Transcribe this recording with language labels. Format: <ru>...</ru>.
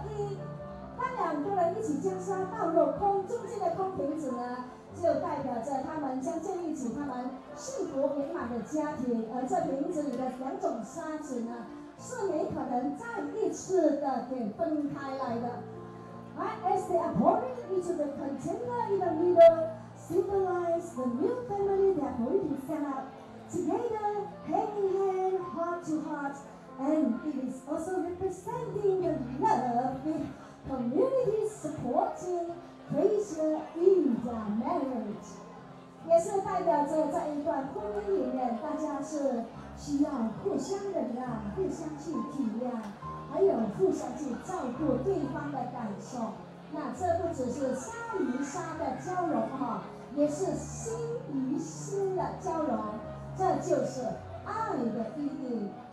<zh>们一起将沙倒入空中间的空瓶子呢，就代表着他们将建立起他们幸福美满的家庭。而这瓶子里的两种沙子呢，是没可能再一次的给分开来的。</zh> <en>As they are pouring into the container in the middle, symbolize the new family that we can set up together, hand in hand, heart to heart, and it is also representing the love with community supporting Fraser in their marriage.</en> <zh>也是代表着在一段婚姻里面，大家是需要互相忍让、互相去体谅，还有互相去照顾对方的感受。那这不只是沙与沙的交融哈，也是心与心的交融，这就是爱的意义。</zh>